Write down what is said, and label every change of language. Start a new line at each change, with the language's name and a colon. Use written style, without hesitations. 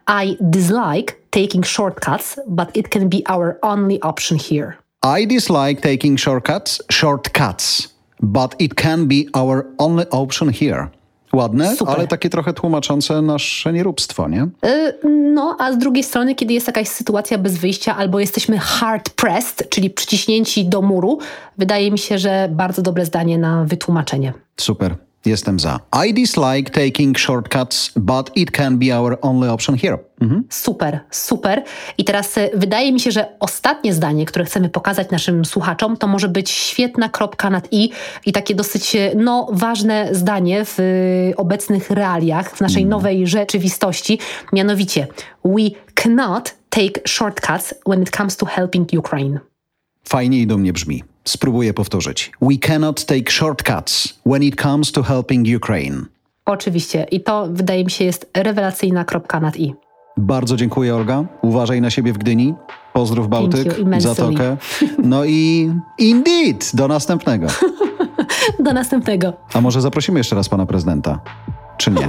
English: I dislike taking shortcuts, but it can be our only option here. I dislike taking shortcuts, but it can be our only option here.
Polish: Ładne, super. Ale takie trochę tłumaczące nasze nieróbstwo, nie? No, a z drugiej strony, kiedy jest jakaś sytuacja bez wyjścia albo jesteśmy
English: hard pressed,
Polish: czyli przyciśnięci do muru, wydaje mi się, że bardzo dobre zdanie na wytłumaczenie. Super, jestem za.
English: I dislike taking shortcuts, but it can be our only option here. Mhm.
Polish: Super, super. I teraz wydaje mi się, że ostatnie zdanie, które chcemy pokazać naszym słuchaczom, to może być świetna kropka nad i takie dosyć no, ważne zdanie w obecnych realiach, w naszej nowej rzeczywistości. Mianowicie,
English: we cannot take shortcuts when it comes to helping Ukraine.
Polish: Fajnie i dumnie brzmi. Spróbuję powtórzyć.
English: We cannot take shortcuts when it comes to helping Ukraine.
Polish: Oczywiście. I to, wydaje mi się, jest rewelacyjna kropka nad i. Bardzo dziękuję, Olga. Uważaj na siebie w Gdyni. Pozdrów Bałtyk, Zatokę. No i indeed! Do następnego. Do następnego. A może zaprosimy jeszcze raz pana prezydenta? Czy nie?